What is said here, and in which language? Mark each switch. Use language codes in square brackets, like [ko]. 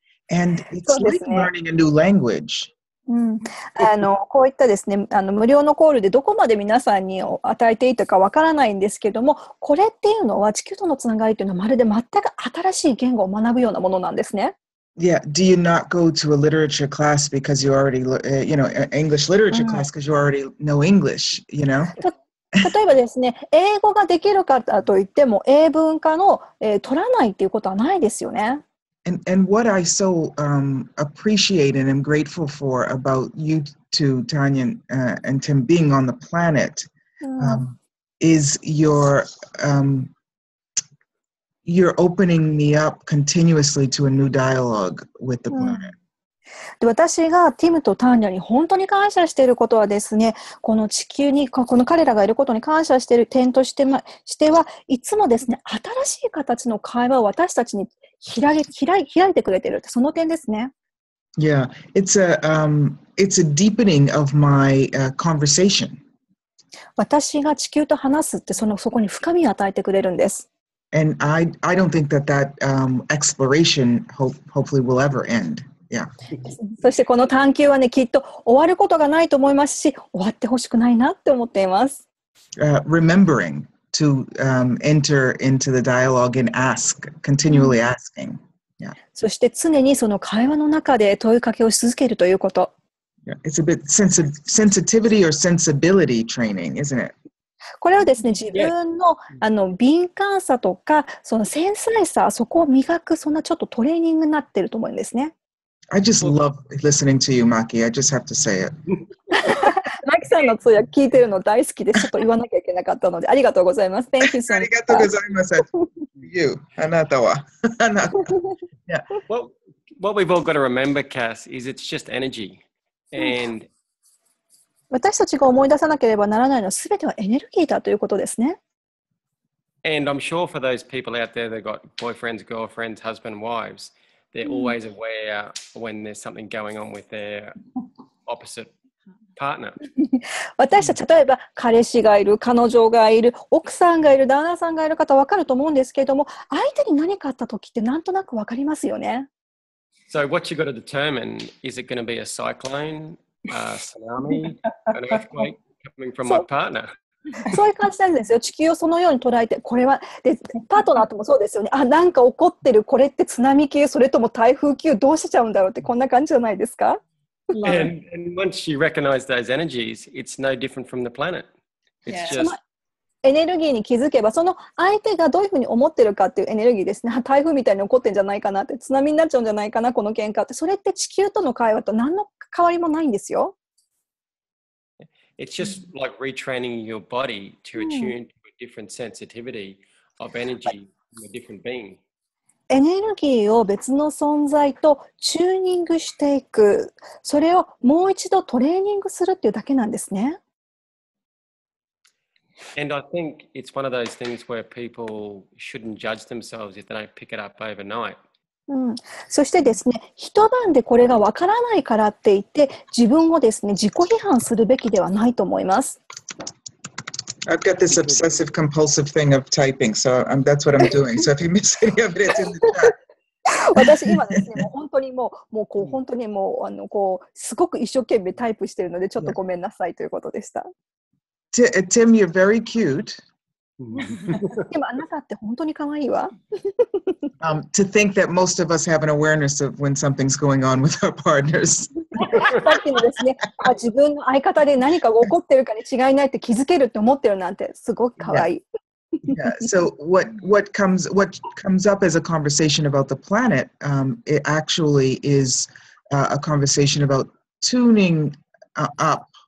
[en] And it's like learning a new language. [ja] こういったですね、無料のコールでどこまで皆さんに与えていたかわからないんですけども、これっていうのは地球とのつながりというのはまるで全く新しい言語を学ぶようなものなんですね。 [en] Yeah, do you not go to a literature class because you already, you know, English literature class because you already know English, you know? [ja] 例えばですね、英語ができる方といっても英文科の、取らないっていうことはないですよね。 [en] And what I so appreciate and am grateful for about you two, Tanya and Tim, being on the planet is you're opening me up continuously to a new dialogue with the planet. [ja] で私がティムとターニャに本当に感謝していることはですね、この地球に、この彼らがいることに感謝している点としては、いつもですね、新しい形の会話を私たちに開いてくれている、その点ですね。 [en] Yeah, it's a deepening of my conversation. [ja] 私が地球と話すって、そこに深みを与えてくれるんです。 [en] And I don't think that exploration hopefully will ever end. [ja] そしてこの探求はね、きっと終わることがないと思いますし、終わってほしくないなって思っています。 [en] Remembering to enter into the dialogue and ask, continually asking. Yeah. [ja] そして常にその会話の中で問いかけをし続けるということ。 [en] Yeah. It's a bit sensitivity or sensibility training, isn't it? [ja] これはですね、自分 の, あの敏感さとか、その繊細さ、そこを磨く、そんなちょっとトレーニングになってると思うんですね。 [en] I just love listening to you, Maki. I just have to say it. [ja] Maki さんの通訳聞いてるの大好きで、ちょっと言わなきゃいけなかったので、ありがとうございます。 [en] Thank you so much. [ja] ありがとうございます。 You, あなたは。あなた。 [en] Yeah. Well, what we've all got to remember, Kass, is it's just energy. And [ja] 私たちが思い出さなければならないのは、すべてはエネルギーだということですね。 [en] And I'm sure for those people out there that got boyfriends, girlfriends, husband, wives,They're always aware when there's something going on with their opposite partner. [ja] 私たち例えば彼氏がいる、彼女がいる、奥さんがいる、旦那さんがいる方分かると思うんですけれども、相手に何かあった時ってなんとなく分かりますよね。 [en] So what you got to determine is it going to be a cyclone, a tsunami, an earthquake coming from my partner? [ja] そういう感じなんですよ。地球をそのように捉えて、これは、で、パートナーともそうですよね。あ、なんか起こってる、これって津波級、それとも台風級、どうしちゃうんだろうって、こんな感じじゃないですか。 [en] And once you recognize those energies, it's no different from the planet. It's just... [ja] エネルギーに気づけば、その相手がどういうふうに思ってるかっていうエネルギーですね。台風みたいに起こってんじゃないかなって、津波になっちゃうんじゃないかな、この喧嘩って。それって地球との会話と何の変わりもないんですよ。 [en] It's just like retraining your body to attune to a different sensitivity of energy from a different being. [ja] エネルギーを別の存在とチューニングしていく。それをもう一度トレーニングするっていうだけなんですね。 [en] And I think it's one of those things where people shouldn't judge themselves if they don't pick it up overnight. [ja] そしてですね、一晩でこれがわからないからって言って、自分をですね、自己批判するべきではないと思います。 [en] I've got this obsessive compulsive thing of typing, so that's what I'm doing. So if you miss any of it, it's in the chat. [ja] 私今ですね、もう本当にもう本当にもう、あの、こう、すごく一生懸命タイプしてるので、ちょっとごめんなさいということでした。 [en] Tim, you're very cute. [ja] Tim, あなたって本当に可愛いわ。 [en] To think that most of us have an awareness of when something's going on with our partners. [ja] さっきのですね、あ、自分の相方で何かが起こってるかに違いないって気づけるって思ってるなんてすごく可愛い。 [en] Yeah. Yeah. So what comes up as a conversation about the planet, it actually is a conversation about tuning up.